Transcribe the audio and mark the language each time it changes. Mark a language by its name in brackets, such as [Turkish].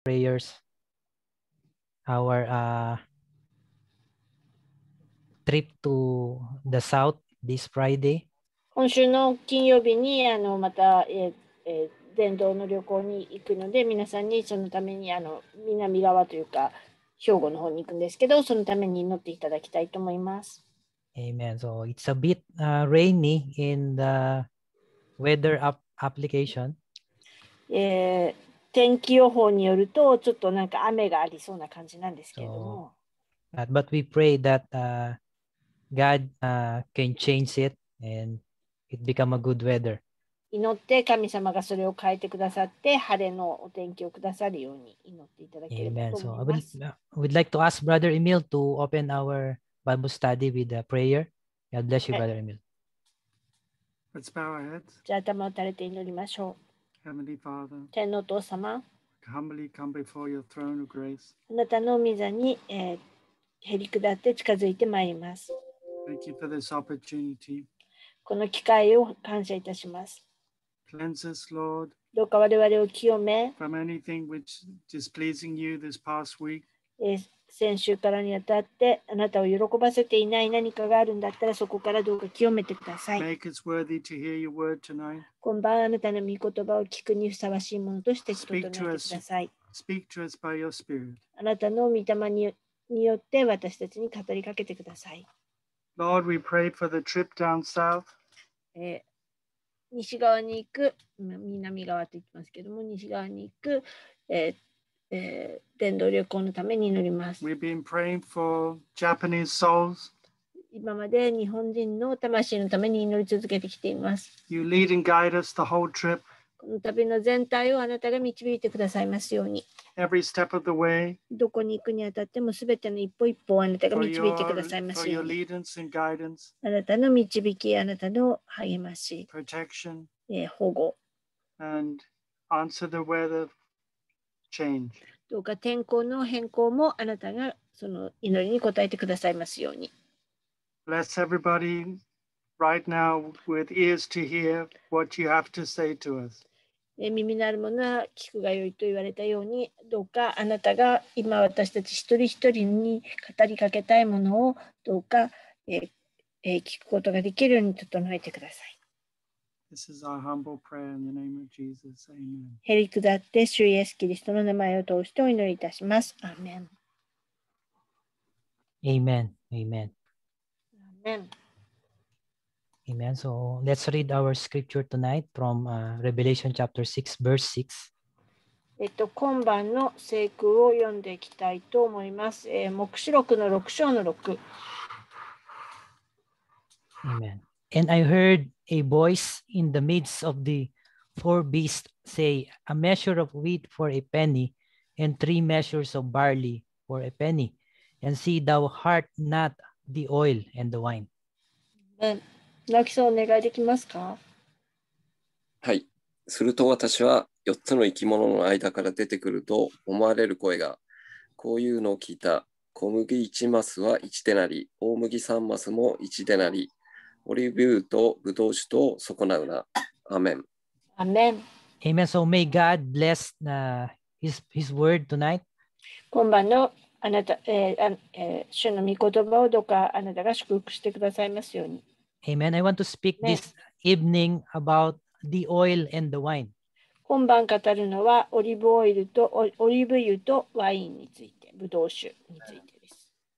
[English] prayers, our trip to the south this Friday. [Japanese] 今週の金曜日にまた伝道の旅行に行くので、皆さんにそのために南側というか兵庫の方に行くんですけど、そのために祈っていただきたいと思います。 [English] Amen. So it's a bit rainy in the weather application. [Japanese] 天気予報によるとちょっとなんか雨がありそうな感じなんですけれども。 [English] But we pray that God can change it and it become a good weather. [Japanese] 祈って神様がそれを変えてくださって晴れのお天気をくださるように祈っていただければと思います。 [English] Amen. So we'd like to ask Brother Emil to open our Bible study with a prayer. God bless you, Brother Emil. Let's bow our heads. [Japanese] じゃあ頭を垂れて祈りましょう。 [English] Heavenly Father. [Japanese] 天のお父様。 [English] Humbly come before your throne of grace. [Japanese] あなたの御座に、へり下って近づいてまいります。 [English] Thank you for this opportunity. [Japanese] この機会を感謝いたします。 [English] Cleanse us, Lord. [Japanese] どうか我々を清め。 [English] From anything which is displeasing you this past week. [Japanese] 先週からにあたってあなたを喜ばせていない何かがあるんだったらそこからどうか清めてください。 [English] Make us worthy to hear your word tonight. [Japanese] 今晩あなたの御言葉を聞くにふさわしいものとして整えてください。 [English] Speak to us by your spirit. [Japanese] あなたの御霊によって私たちに語りかけてください。 [English] Lord, we pray for the trip down south. [Japanese] 西側に行く、南側と言ってますけども、西側に行く、伝道旅行のために祈ります。 [English] We've been praying for Japanese souls. [Japanese] 今まで日本人の魂のために祈り続けてきています。 [English] You lead and guide us the whole trip. [Japanese] この旅の全体をあなたが導いてくださいますように。 [English] Every step of the way. [Japanese] どこに行くにあたっても全ての一歩一歩をあなたが導いてくださいますように。 [English] For your leadance and guidance. [Japanese] あなたの導き、あなたの励まし。 [English] Protection. [Japanese] 保護。 [English] And answer the weather. [Japanese] どうか天候の変更もあなたがその祈りに応えてくださいますように。 [English] Bless everybody right now with ears to hear what you have to say to us. [Japanese] 耳のあるものは聞くがよいと言われたように、どうかあなたが今私たち一人一人に語りかけたいものをどうか聞くことができるように整えてください。 [English] This is our humble prayer in the name of Jesus. Amen. [Japanese] へりくだって主イエスキリストの名前を通してお祈りいたします。アーメン。 [English] Amen. Amen. Amen. Amen. So let's read our scripture tonight from Revelation chapter 6, verse 6. [Japanese] 今晩の聖句を読んでいきたいと思います。黙示録の6章の6。 [English] Amen. And I heard. A voice in the midst of the four beasts say, A measure of wheat for a penny, and three measures of barley for a penny. And see, thou heart not the oil and the wine. [Japanese] 泣きそうお願いできますか？はい。すると私は四つの生き物の間から出てくると思われる声が、こういうのを聞いた。小麦一マスは一でなり、大麦三マスも一でなり、オリーブ油とブドウ酒と損なうな。アーメン。アーメン。 [English] Amen. So may God bless his word tonight. [Japanese] 今晩のあなた、主の御言葉をどうかあなたが祝福してくださいますように。 [English] Amen. I want to speak this evening about the oil and the wine. [Japanese] 今晩語るのはオリーブオイルとオリーブ油とワインについて、ブドウ酒についてです。